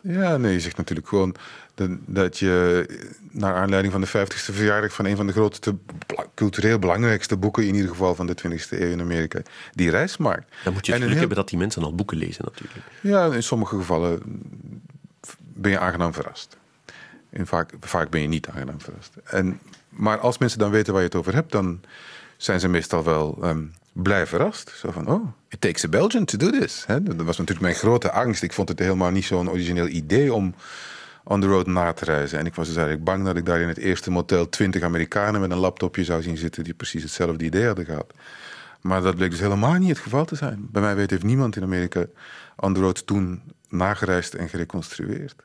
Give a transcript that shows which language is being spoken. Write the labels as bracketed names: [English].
[Dutch] Ja, nee, je zegt natuurlijk gewoon dat je naar aanleiding van de 50ste verjaardag van een van de grootste, cultureel belangrijkste boeken, in ieder geval van de 20ste eeuw in Amerika, die reis maakt. Dan moet je het geluk hebben dat die mensen al boeken lezen natuurlijk. Ja, in sommige gevallen ben je aangenaam verrast. En vaak ben je niet aangenaam verrast. Maar als mensen dan weten waar je het over hebt, dan zijn ze meestal wel... blij verrast. Zo van, [English] oh, it takes a Belgian to do this. [Dutch] He, dat was natuurlijk mijn grote angst. Ik vond het helemaal niet zo'n origineel idee om on the road na te reizen. En ik was dus eigenlijk bang dat ik daar in het eerste motel 20 Amerikanen met een laptopje zou zien zitten die precies hetzelfde idee hadden gehad. Maar dat bleek dus helemaal niet het geval te zijn. Bij mij weet heeft niemand in Amerika on the road toen nagereisd en gereconstrueerd.